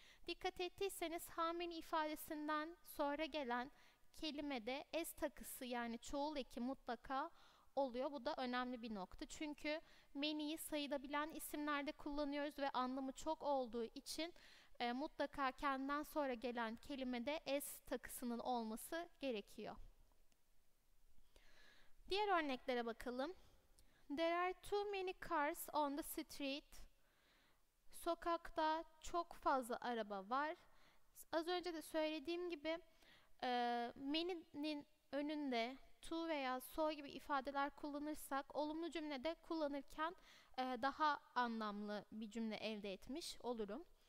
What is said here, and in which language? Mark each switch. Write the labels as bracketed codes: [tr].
[tr] Dikkat ettiyseniz how many ifadesinden sonra gelen kelimede s takısı yani çoğul eki mutlaka oluyor. Bu da önemli bir nokta. Çünkü many'yi sayılabilen isimlerde kullanıyoruz ve anlamı çok olduğu için mutlaka kendinden sonra gelen kelimede s takısının olması gerekiyor. Diğer örneklere bakalım. [en] There are too many cars on the street. [tr] Sokakta çok fazla araba var. Az önce de söylediğim gibi many'nin önünde to veya so gibi ifadeler kullanırsak olumlu cümlede kullanırken daha anlamlı bir cümle elde etmiş olurum.